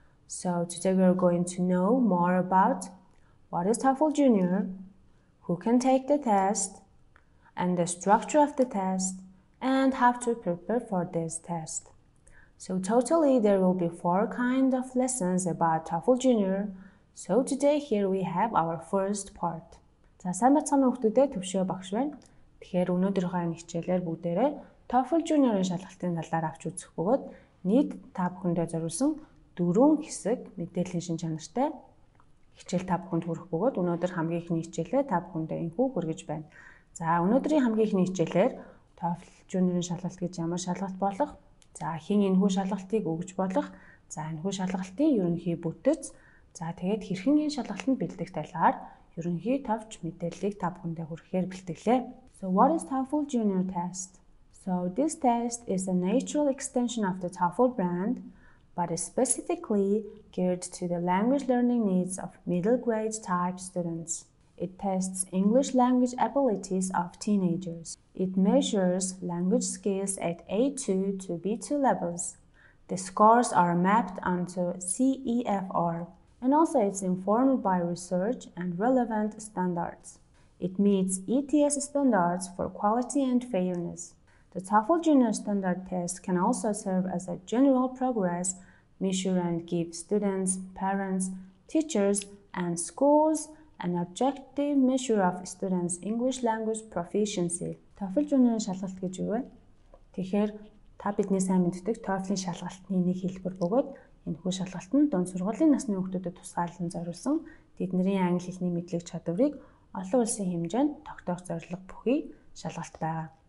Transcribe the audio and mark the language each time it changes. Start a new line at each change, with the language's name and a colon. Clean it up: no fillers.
English: So today we are going to know more about what is TOEFL Junior, who can take the test, and the structure of the test, and how to prepare for this test. So totally there will be four kinds of lessons about TOEFL Junior. So today here we have our first part.
Mongolian: За сайн бацхан хүүхдүүдээ төвшөө багш байна. Тэгэхээр өнөөдөр хоёрын хичээлээр бүгдээрээ TOEFL Junior-ын шалгалтын талаар авч үзэх бөгөөд нийт та бүхэндээ зориулсан дөрвөн хэсэг мэдээллийн шин чанартай хичээл та бүхэнд хүрэх бөгөөд өнөөдөр хамгийн ихний хичээлээ та бүхэндээ инхүү хүргэж байна. За өнөөдрийн хамгийн ихний хичээлээр TOEFL Junior-ын шалгалт гэж ямар шалгалт болох, за хин энэхүү шалгалтыг өгж болох, за энэхүү шалгалтын ерөнхий бүтэц, за тэгээд хэрхэн энэ шалгалтанд бэлдэх талаар ерөнхий товч мэдээллийг та бүхэндээ хүргэхээр бэлтгэлээ.
English: So what is TOEFL Junior test? So this test is a natural extension of the TOEFL brand, but is specifically geared to the language learning needs of middle grade type students. It tests English language abilities of teenagers. It measures language skills at A2 to B2 levels. The scores are mapped onto CEFR, and also it's informed by research and relevant standards. It meets ETS standards for quality and fairness. The TOEFL Junior Standard Test can also serve as a general progress measure and give students, parents, teachers, and schools an objective measure of students' English language proficiency.
Mongolian: TOEFL Junior-ын шалгалт гэж юу вэ? Тэгэхээр та бидний сайн мэддэг TOEFL-ийн шалгалтын нэг хэлбэр бөгөөд энэхүү шалгалт нь дунд сургуулийн насны хүүхдүүдэд тусгаарлан зориулсан тэдний англи хэлний мэдлэг чадварыг олон улсын хэмжээнд тогтоох зорилго бүхий шалгалт байгаа.